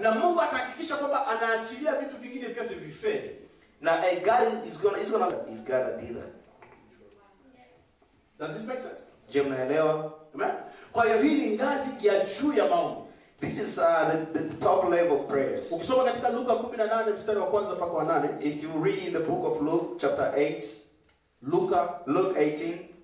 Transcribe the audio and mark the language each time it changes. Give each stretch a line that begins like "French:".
Swahili: Na Mungu atahakikisha kwamba anaachilia vitu vingine vyote vifee.
English: Na a God is gonna, he's God that did that. Does this make sense?
Swahili: Je, mnaelewa? Amen. Kwa hiyo hii ni ngazi ya juu ya maombi.
English: This is the top level of prayers.
Swahili: Ukisoma katika Luka 18 mstari wa kwanza mpaka wa 8,
English: if you read in the book of Luke chapter 8, Luke 18,